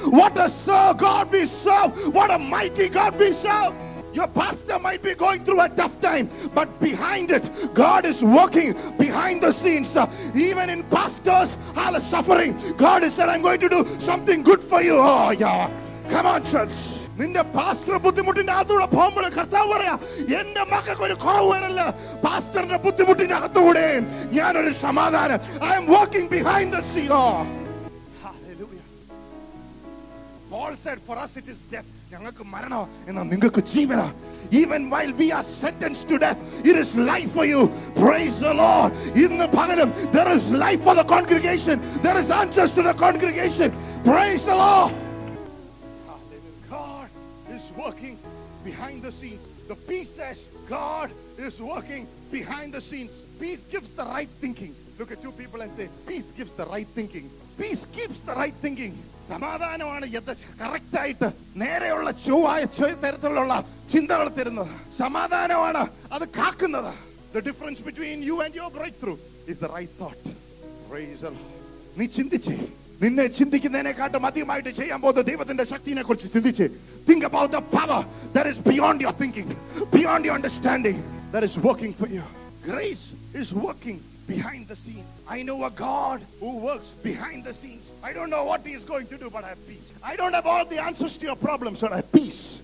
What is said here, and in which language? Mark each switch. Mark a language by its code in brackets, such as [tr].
[en] What a God we serve. What a mighty God we serve. Your pastor might be going through a tough time, but behind it, God is working behind the scenes. Even in pastors who are suffering, God has said, I'm going to do something good for you. Oh, yeah. Come on, church. [ml] നിന്റെ pastor ബുദ്ധിമുട്ടിന്റെ അകത്തുകൂടെ പോകുമ്പോൾ കർത്താവ് പറയാ എന്റെ മക്കൾക്ക് ഒരു കുറവ് വരല്ല പാസ്റ്ററിന്റെ ബുദ്ധിമുട്ടിന്റെ അകത്തുകൂടെ ഞാൻ ഒരു സമാധാനം. [en] I am walking behind the scene. Oh. Hallelujah. Paul said, for us it is death. Even while we are sentenced to death, it is life for you. Praise the Lord. In the Pagadam, there is life for the congregation. There is answers to the congregation. Praise the Lord. God is working behind the scenes. The peace says, God is working behind the scenes. Peace gives the right thinking. Look at two people and say, peace gives the right thinking. Peace keeps the right thinking. [ml] സമാധാനമാണ് യഥ കറക്റ്റായിട്ട് നേരെയുള്ള ചൊവ്വായ തരത്തിലുള്ള ചിന്തകൾ തരുന്നത്. സമാധാനമാണ് അത് കാക്കുന്നത്. [en] The difference between you and your breakthrough is the right thought. Praise the Lord. [ml] നീ ചിന്തിച്ചേ, നിന്നെ ചിന്തിക്കുന്നതിനെക്കാട്ടും അധികമായിട്ട് ചെയ്യാൻ പോകുന്ന ദൈവത്തിന്റെ ശക്തിയെ കുറിച്ച് ചിന്തിച്ചേ. [en] Think about the power that is beyond your thinking, beyond your understanding, that is working for you. Grace is working behind the scene. I know a God who works behind the scenes. I don't know what he is going to do, but I have peace. I don't have all the answers to your problems, but I have peace.